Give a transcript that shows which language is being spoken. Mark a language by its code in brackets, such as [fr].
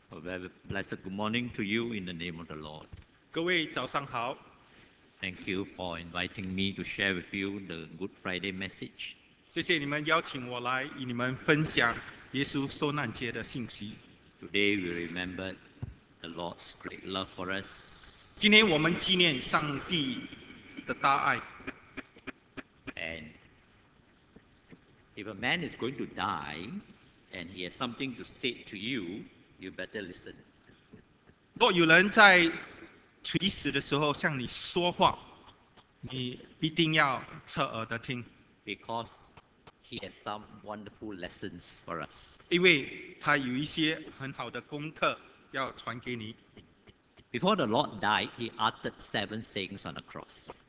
[en] very blessed good morning to you in the name of the Lord. [zh] 各位早上好。 [en] Thank you for inviting me to share with you the Good Friday message. [zh] 谢谢你们邀请我来与你们分享耶稣受难节的信息。 [en] Today we remember the Lord's great love for us. [zh] 今天我们纪念上帝的大爱。 [en] And if a man is going to die and he has something to say to you, you better listen. [zh] 若有人在垂死的时候向你说话, 你一定要侧耳的听。 [en] Because he has some wonderful lessons for us. [zh] 因为他有一些很好的功课要传给你。 [en] Before the Lord died, he uttered seven sayings on the cross.